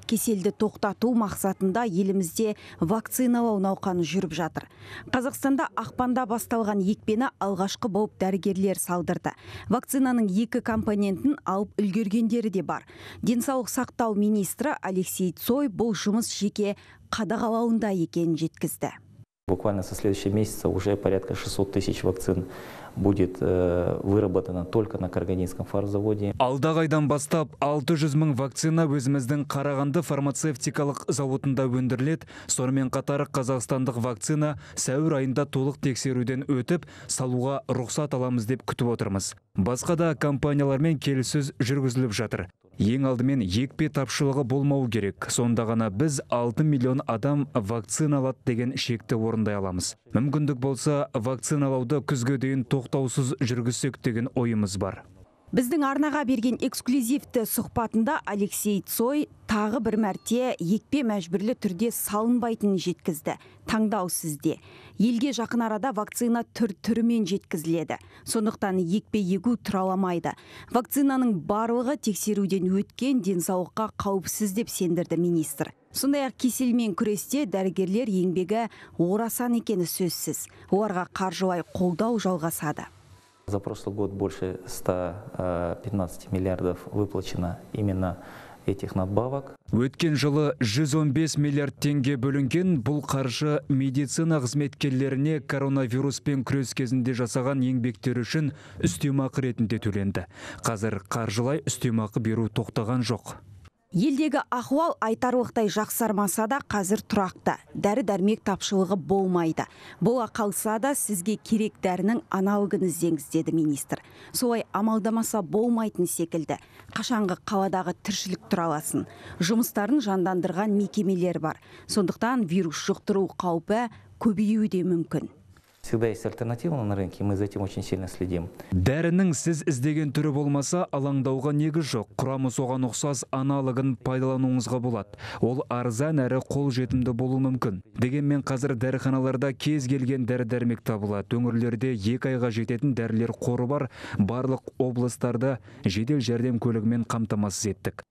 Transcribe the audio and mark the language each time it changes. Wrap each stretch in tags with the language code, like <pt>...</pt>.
<kk>Кеселді тоқтату мақсатында елімізде вакциналау науқаны жүріп жатыр. Қазақстанда ақпанда басталған екпені алғашқы болып дәрігерлер салдырды. Вакцинаның екі компонентін алып үлгергендері де бар. Денсаулық сақтау министрі Алексей Цой бұл жұмыс жеке қадағалауында екенін жеткізді.</kk> <ru>Буквально со следующего месяца уже порядка 600 тысяч вакцин будет выработано только на Карагандинском фармзаводе.</ru> <kk>Алдағы айдан бастап 600 мың вакцина өзіміздің Қарағанды фармацевтикалық зауытында өндіріледі. Сонымен қатар қазақстандық вакцина сәуір айында толық тексеруден өтіп, салуға рұқсат аламыз деп күтіп отырмыз. Басқа да компаниялармен келісіз жүргізіліп жатыр. Ең алдымен екпе тапшылығы болмау керек. Сонда ғана біз 6 миллион адам вакциналады деген шекті орындай аламыз. Мүмкіндік болса, вакциналауды күзге дейін тоқтаусыз жүргізсек деген ойымыз бар. Біздің арнаға берген эксклюзивті сұхбатында Алексей Цой тағы бір мәрте екпе мәжбүрлі түрде салынбайтын жеткізді. Таңдау сізде. Елге жақын арада вакцина түрімен жеткізіледі. Сондықтан екпе егу тұраламайды. Вакцинаның барлығы тексеруден өткен денсаулыққа қауіпсіз деп сендірді министр. Сондай-ақ кеселмен күресте дәрігерлер еңбегі орасан екені сөзсіз. Оларға қаржылай қолдау жалғасады.</kk> <ru>За прошлый год больше 115 миллиардов выплачено именно этих надбавок.</ru> <kk>Өткен жылы 115 миллиард теңге бөлінген, бұл қаржы медицина қызметкерлеріне коронавируспен күрес кезінде жасаған еңбектері үшін үстемақы ретінде төленді. Қазір қаржылай үстемақы беру тоқтаған жоқ. Елдегі ахуал айтарлықтай жақсармаса да қазір тұрақты. Дәрі-дәрмек тапшылығы болмайды. Бола қалса да сізге керек дәрінің аналогын іздеңіз, деді министр. Солай амалдамаса болмайтын секілді. Қашанғы қаладағы тіршілік тұраласын. Жұмыстарын жандандырған мекемелер бар. Сондықтан вирус жұқтыру қаупі көбеюі де мүмкін.</kk> <ru>Всегда есть альтернатива на рынке, мы за этим очень сильно следим.</ru> <kk>Дәрінің сіз іздеген түрі болмаса, алаңдауға негіз жоқ. Құрамы соған ұқсас аналогын пайдалануыңызға болады. Ол арзан әрі қол жетімді болуы мүмкін. Дегенмен қазір дәріханаларда кез келген дәрі-дәрмек табылады. Өңірлерде екі айға жететін дәрілер қоры бар. Барлық облыстарда жедел жәрдем көлігімен қамтамасыз еттік.</kk>